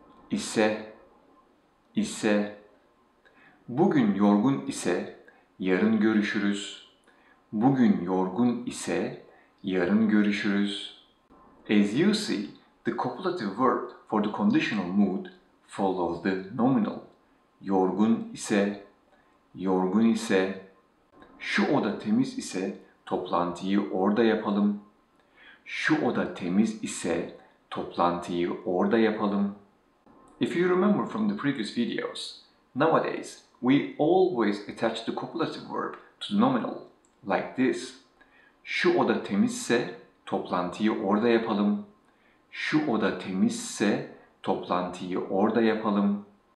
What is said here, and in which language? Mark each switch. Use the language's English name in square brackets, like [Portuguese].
[Turkish] İse, ise. Bugün yorgun ise yarın görüşürüz. Bugün yorgun ise yarın görüşürüz. [English] As you see, the copulative verb for the conditional mood follows the nominal. [Turkish] Yorgun ise. Yorgun ise, şu oda temiz ise toplantıyı orada yapalım. Şu oda temiz ise toplantıyı orada yapalım. [English] If you remember from the previous videos, nowadays we always attach the copulative verb to the nominal, like this. [Turkish] Şu oda temizse toplantıyı orada yapalım. Şu oda temizse toplantıyı orada yapalım.